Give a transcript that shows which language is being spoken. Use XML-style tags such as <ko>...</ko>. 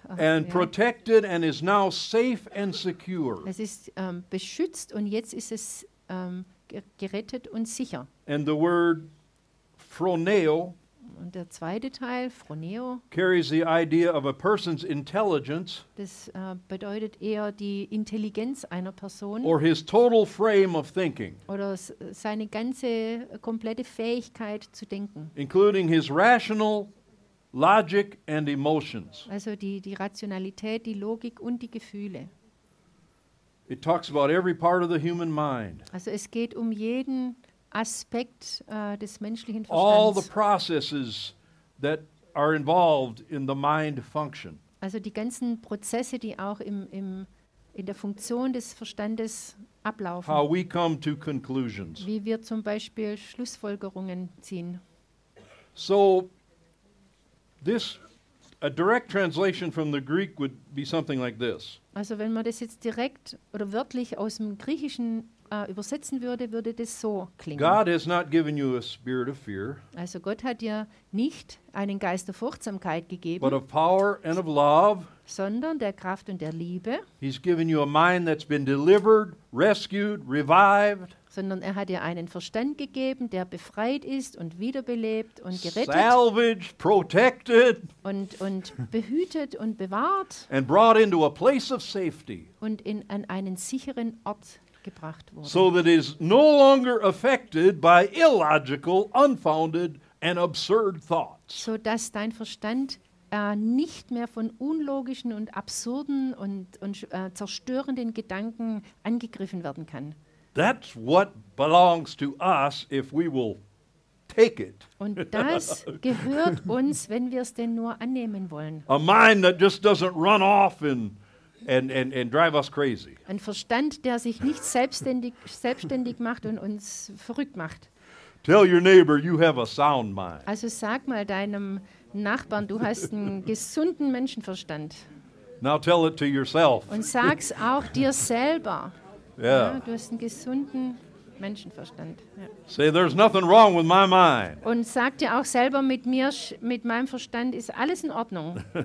<en>and protected and is now safe and secure.</en> <de>Es ist beschützt und jetzt ist es gerettet und sicher.</de> <en>And the word phroneo,</en> <de>und der zweite Teil, phroneo,</de> <en>carries the idea of a person's intelligence,</en> <de>das bedeutet eher die Intelligenz einer Person,</de> <en>or his total frame of thinking,</en> <de>oder seine ganze komplette Fähigkeit zu denken,</de> <en>including his rational logic and emotions.</en> <de>Also die Rationalität, die Logik und die Gefühle.</de> <en>It talks about every part of the human mind.</en> <de>Also es geht um jeden Aspekt des menschlichen Verstands.</de> <en>All the processes that are involved in the mind function.</en> <de>Also die ganzen Prozesse, die auch in der Funktion des Verstandes ablaufen.</de> <en>How we come to conclusions.</en> <de>Wie wir zum Beispiel Schlussfolgerungen ziehen.</de> <en>So, this a direct translation from the Greek would be something like this.</en> <de>Also wenn man das jetzt direkt oder wörtlich aus dem Griechischen übersetzen würde, würde das so klingen.</de> <en>God has not given you a spirit of fear.</en> <de>Also Gott hat dir nicht einen Geist der Furchtsamkeit gegeben,</de> <en>but of power and of love.</en> <de>Sondern der Kraft und der Liebe.</de> <en>He's given you a mind that's been delivered, rescued, revived.</en> <de>Sondern er hat dir einen Verstand gegeben, der befreit ist und wiederbelebt und gerettet.</de> <en>Salvaged, protected.</en> <de>Und behütet und bewahrt.</de> <en>And brought into a place of safety.</en> <de>Und an einen sicheren Ort gebracht wurde.</de> <en>So that is no longer affected by illogical, unfounded and absurd thoughts.</en> <de>So dass dein Verstand nicht mehr von unlogischen und absurden und zerstörenden Gedanken angegriffen werden kann.</de> <en>That's what belongs to us if we will take it.</en> <de>Und das gehört uns, wenn wir es denn nur annehmen wollen.</de> <en>A mind that just doesn't run off and drive us crazy.</en> <de>Ein Verstand, der sich nicht selbstständig macht und uns verrückt macht.</de> <en>Tell your neighbor you have a sound mind.</en> <de>Also sag mal deinem Nachbarn, du hast einen gesunden Menschenverstand.</de> <en>Now tell it to yourself.</en> <de>Und sag's auch dir selber.</de> <en>Yeah.</en> <de>Ja, du hast einen gesunden Menschenverstand. Ja.</de> <en>Say there's nothing wrong with my mind.</en> <de>Und sag dir auch selber mit meinem Verstand ist alles in Ordnung.</de>